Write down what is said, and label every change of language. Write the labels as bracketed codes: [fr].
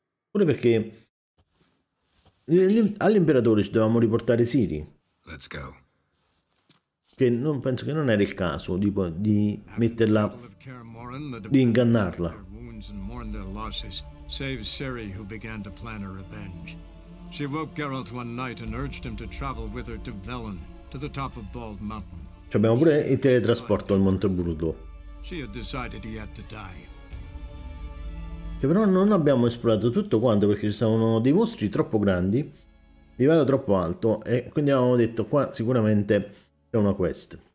[it] Pure perché all'imperatore ci dovevamo riportare Siri. [en] Let's go. [it] Che non penso che non era il caso tipo, di metterla, di ingannarla. [en] Save Siri who began to plan a revenge. She woke Geralt one night and urged him to travel with her to Velen, to the top of Bald Mountain. [it] Cioè abbiamo pure il teletrasporto al Monte Brullo. Che però non abbiamo esplorato tutto quanto perché ci sono dei mostri troppo grandi, livello troppo alto, e quindi avevamo detto qua sicuramente c'è una quest.